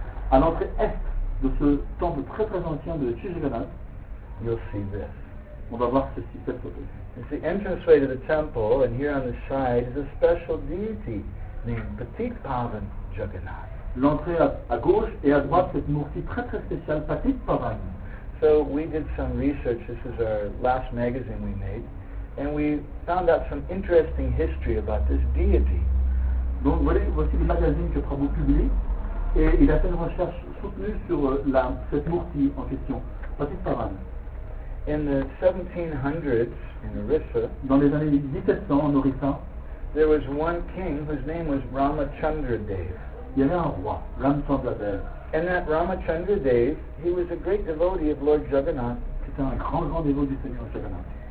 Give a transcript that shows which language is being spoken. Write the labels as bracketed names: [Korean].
[French] à l'entrée est de ce temple très très ancien de Sri Jagannath, [English] you'll see this. [French] On va voir ceci, cette photo. [English] It's the entrance way to the temple, and here on the side is a special deity named Patit Pavan Jagannath. [French] L'entrée à gauche et à droite, cette Murti très très spéciale, Patit Pavan. [English] So we did some research, this is our last magazine we made, and we found out some interesting history about this deity. [French] Donc voici le magazine que Prabhu publie, et il a fait une recherche soutenue sur cette Murti en question, Patit Pavan. [English] In the 1700s in Orissa, [French] dans les années 1700 en Orissa, [English] there was one king whose name was Ramachandra Dev. [French] Il y avait un roi, Ramachandra Dev. [English] And that Ramachandra Dev, he was a great devotee of Lord Jagannath. [French] C'était un grand, grand dévot du Seigneur Jagannath.